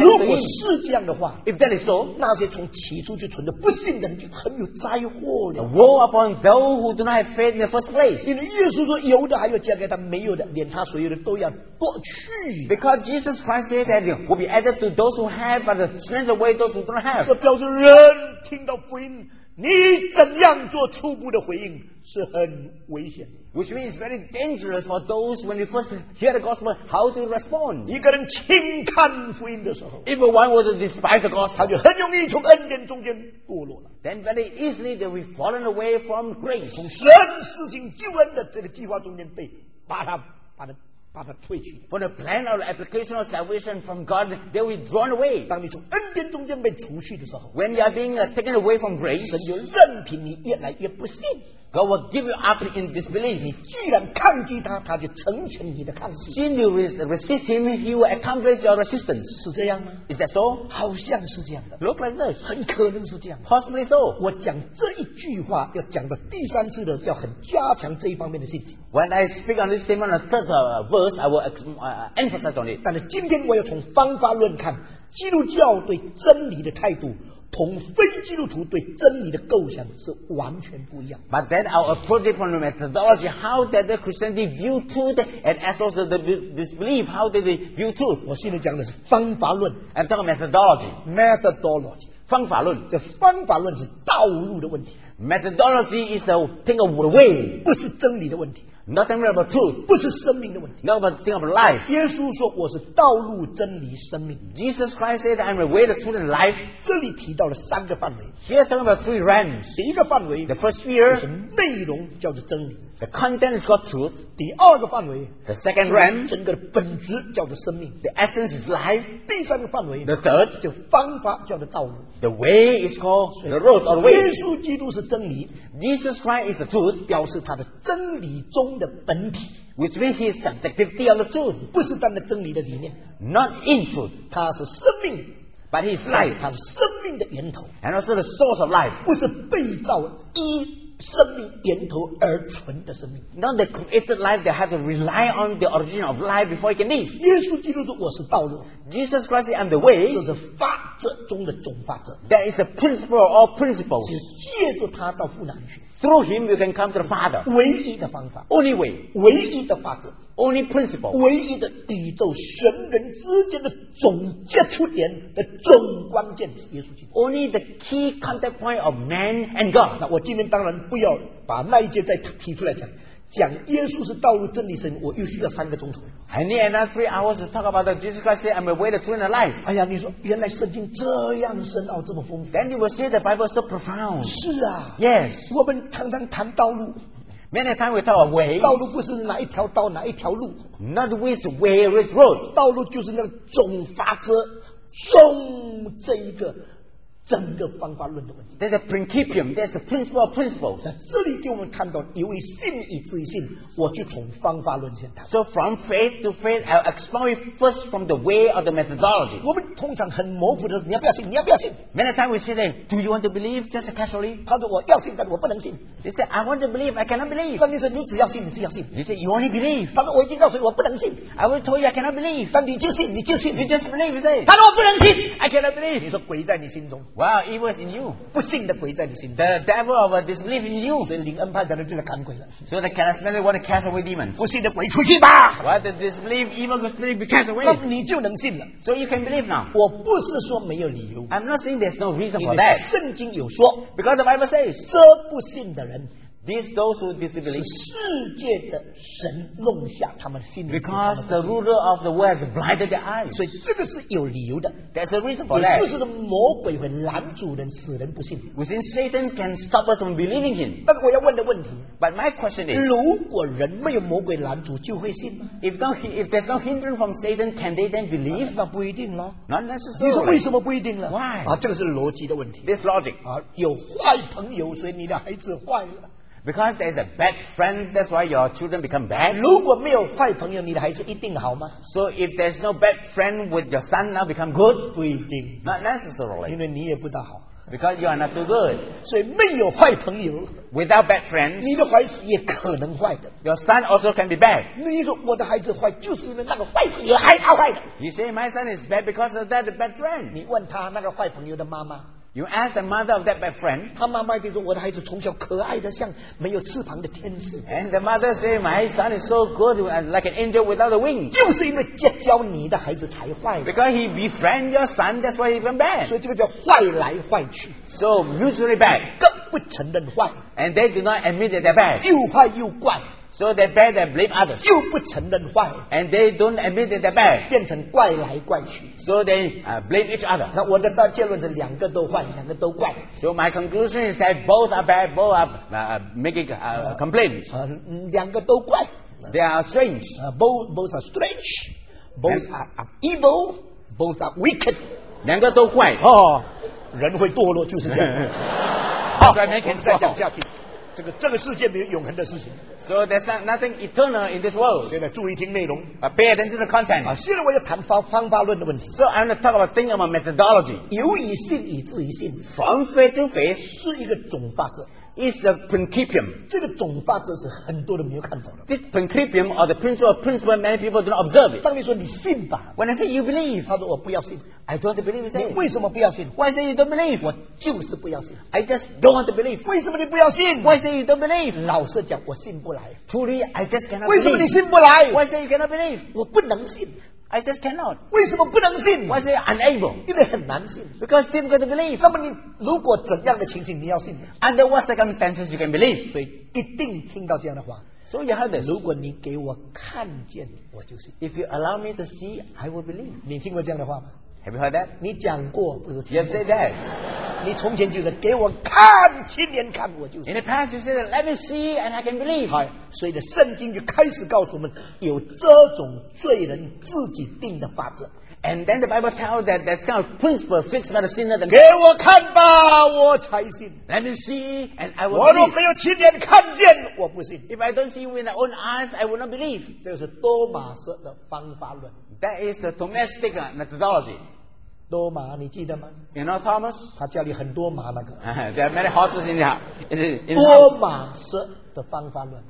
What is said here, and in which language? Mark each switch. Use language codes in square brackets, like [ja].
[en] to him. [zh] 如果是这样的话， [en] If that is so, [zh] 那些从起初就存着不信的人就很有灾祸了。 [en] Woe upon those who do not have faith in the first place. [zh] 因为耶稣说有的还要加给他，没有的连他所有的都要夺去。 [en] Because Jesus Christ said that will be added to those who have, but snatch away those who don't have. [zh] 这表示人听到福音，你怎样做初步的回应是很危险的。 [en] Which means it's very dangerous for those when you first hear the gospel, how to respond. [zh] 一个人轻看福音的时候， [en] if one were to despise the gospel, [zh] 他就很容易从恩典中间堕落了。 [en] Then very easily they will be fallen away from grace. [zh] 从神施行救恩的这个计划中间被把他退去。 [en] From the plan of the application of salvation from God, they will be drawn away. [zh] 当你从恩典中间被除去的时候， [en] when you are being taken away from grace, [zh] 神就任凭你越来越不信。 [en] God will give you up in disbelief. [zh] 你既然抗拒他，他就成全你的抗拒。 [en] Since you resist him, he will accomplish your resistance. [zh] 是这样吗？ [en] Is that so? [zh] 好像是这样的。 [en] Look like this. [zh] 很可能是这样的。 [en] Possibly so. [zh] 我讲这一句话，要讲到第三次的，要很加强这一方面的信心。 [en] When I speak on this statement, the third verse, I will emphasize on it. [zh] 但是今天我要从方法论看，基督教对真理的态度同非基督徒对真理的构想是完全不一样。 [en] But then I'll approach it from the methodology. How did the Christianity view truth and as also the disbelief? How did they view truth? [zh] 我现在讲的是方法论。 [en] I'm talking methodology. Methodology. [zh] 方法论。这方法论是道路的问题。 [en] Methodology is the thing of the way. [zh] 不是真理的问题。 [en] Nothing about truth. [zh] 不是生命的问题。 [en] Not about thing about life. [zh] 耶稣说我是道路真理生命。 [en] Jesus Christ said I'm the way, the truth and life. [zh] 这里提到了三个范围。 [en] Here talking about three realms. [zh] 第一个范围。 [en] The first sphere. [zh] 是内容叫做真理。 [en] The content is called truth. [zh] 第二个范围。 [en] The second realm. [zh] 整个的本质叫做生命。 [en] The essence is life. [zh] 第三个范围。 [en] The third. [zh] 就方法叫做道路。 [en] The way is called the road or the way. [zh] 耶稣基督是真理。 [en] Jesus Christ is the truth. [zh] 表示他的真理中的本体。 [en] Which means his subjectivity of the truth. [zh] 不是单的真理的理念。 [en] Not in truth. [zh] 他是生命。 [en] But he is life. [zh] 他是生命的源头。 [en] And also the source of life. [zh] 不是被造一生命源头而存的生命。 [en] Not the created life that have to rely on the origin of life before it can live. [zh] 耶稣基督说我是道路。 [en] Jesus Christ is the way. [zh] 这是法则中的总法则。 [en] That is the principle of all principles. [zh] 只借着他到父那里去。 [en] Through him you can come to the Father. [zh] 唯一的方法。 [en] Only way. [zh] 唯一的法则。 [en] Only principle. [zh] 唯一的宇宙神人之间的总接触点的总关键是耶稣基督。 [en] Only the key contact point of man and God. [zh] 那我今天当然不要把那一节再提出来讲，讲耶稣是道路真理神，我又需要三个钟头。 [en] I need another 3 hours to talk about the Jesus Christ say I'm a way to truth and the life. [zh] 哎呀，你说原来圣经这样深奥，这么丰富。 [en] Then you will say the Bible is so profound. [zh] 是啊。 [en] Yes. [zh] 我们常常谈道路。 [en] Many times we talk about way. [zh] 道路不是哪一条道哪一条路。 [en] Not which way which road. [zh] 道路就是那个总法则，总这一个。整个方法论的问题。 [en] That's the principium. That's the principle of principles. [zh] 这里给我们看到，因为信以至于信，我就从方法论先谈。 [en] So from faith to faith, I'll explain it first from the way of the methodology. [zh] 我们通常很模糊的，你要不要信？你要不要信 [en] ？Many times we say, "Do you want to believe?" Just casually. [zh] 他说我要信，但我不能信。 [en] They say, "I want to believe, I cannot believe." [zh] 但你说你只要信，你只要信。 [en] They say, "You only believe." [zh] 他说我已经告诉你，我不能信。 [en] I will tell you, I cannot believe. [zh] 但你就信，你就信。 [en] You just believe, you say. [zh] 他说我不能信 [en] ，I cannot believe. [zh] 你说鬼在你心中。 [en] Wow, it was in you. [zh] 不信的鬼在你心。 [en] The devil of disbelief in you. [zh] 所以灵恩派的人就来赶鬼了。 [en] So the charismatic want to cast away demons. [zh] 不信的鬼出去吧。 [en] Why the disbelief evil spirit be cast away? [zh] 那你就能信了。 [en] So you can believe now. [zh] 我不是说没有理由。 [en] I'm not saying there's no reason for that. [zh] 圣经有说。 [en] Because the Bible says. [zh] 这不信的人。 [en] These those who disbelieve [zh] 是世界的神弄瞎他们心里。 [en] Because the ruler of the world has blinded their eyes. [zh] 所以这个是有理由的。 [en] There's a reason for that. [zh] 也就是魔鬼会拦阻人，使人不信。 [en] Within Satan can stop us from believing him. [zh] 但我要问的问题。 [en] But my question is. [zh] 如果人没有魔鬼拦阻，就会信吗 [en] ？If there's no hindrance from Satan, can they then believe? [zh] 那不一定咯。 [en] Not necessarily. [zh] 你说为什么不一定呢 [en] ？Why? [zh] 啊，这个是逻辑的问题。 [en] This logic. [zh] 啊，有坏朋友，所以你的孩子坏了。 [en] Because there's a bad friend, that's why your children become bad. [zh] 如果没有坏朋友，你的孩子一定好吗 [en] ？So if there's no bad friend, would your son now become good? [zh] 不一定。 [en] Not necessarily. [zh] 因为你也不大好。 [en] Because you are not too good. [zh] 所以没有坏朋友。 [en] Without bad friends, [zh] 你的孩子也可能坏的。 [en] Your son also can be bad. [zh] 你说我的孩子坏，就是因为那个坏朋友害他坏的。 [en] You say my son is bad because of that bad friend. [zh] 你问他那个坏朋友的妈妈。 [en] You ask the mother of that bad friend. [zh] 他妈妈就说我的孩子从小可爱的像没有翅膀的天使。 [en] And the mother say, my son is so good, like an angel without a wing. [zh] 就是因为结交你的孩子才坏。 [en] Because he befriend your son, that's why he went bad. [zh] 所以这个叫坏来坏去。 [en] So mutually bad. [zh] 更不承认坏。 [en] And they do not admit that they're bad. [zh] 又坏又怪。 [en] So they're bad and blame others. [zh] 又不承认坏。 [en] And they don't admit that they're bad. [zh] 变成怪来怪去。 [en] So they blame each other. [zh] 那我的结论是两个都坏，两个都怪。 [en] So my conclusion is that both are bad, both are making complaints. [zh] 两个都怪。 [en] They are strange. Both are strange. Both are evil. Both are wicked. [zh] 两个都怪。哦，人会堕落就是这样。好，我们再讲下去。这个世界没有永恒的事情。 [en] So there's nothing eternal in this world. [zh] 现在注意听内容。 [en] Pay attention to the content. [zh] 现在我要谈方法论的问题。 [en] So I'm going to talk about thinking about methodology. [zh] 由以信以至于信。 [en] From faith to faith [zh] 是一个总法则。 [en] Is the principium. [zh] 这个总法则是很多人没有看到的。 [en] This principium or the principle of principle many people do not observe it. [zh] 当你说你信吧。 [en] When I say you believe. [zh] 他说我不要信。 [en] I don't believe you. [zh] 你为什么不要信 [en] ？Why say you don't believe？ [zh] 我就是不要信。 [en] I just don't want to believe。 [zh] 为什么你不要信 [en] ？Why say you don't believe？ [zh] 老实讲，我信不来。 [en] Truly, I just cannot. [zh] 为什么你信不来 [en] ？Why say you cannot believe？ [zh] 我不能信。 [en] I just cannot. [zh] 为什么不能信 [en] ？Why say unable？ [zh] 因为很难信。 [en] Because difficult to believe. [zh] 那么你如果怎样的情形你要信 [en] ？Under what circumstances you can believe？ [zh] 所以一定听到这样的话。 [en] So you have this. [zh] 如果你给我看见，我就信。 [en] If you allow me to see, I will believe. [zh] 你听过这样的话吗？ [en] Have you heard that? [zh] 你讲过不是？ [en] You have said that. [zh] 你从前就是给我看，亲眼看我就是。 [en] In the past, you said, "Let me see, and I can believe." [zh] 好，所以的圣经就开始告诉我们有这种罪人自己定的法则。 [en] And then the Bible tells that that's kind of principle fixed by the sinner. [zh] 给我看吧，我才信。 [en] Let me see, and I will. [zh] 我若没有亲眼看见，我不信。 [en] If I don't see with my own eyes, I will not believe. [zh] 这是多马斯的方法论。 [en] That is the Thomistic methodology. [zh] 多马，你记得吗 [en] ？You know Thomas？ [zh] 他家里很多马那个。 [en] There are many horses in the house. [zh] 多马式的方法论。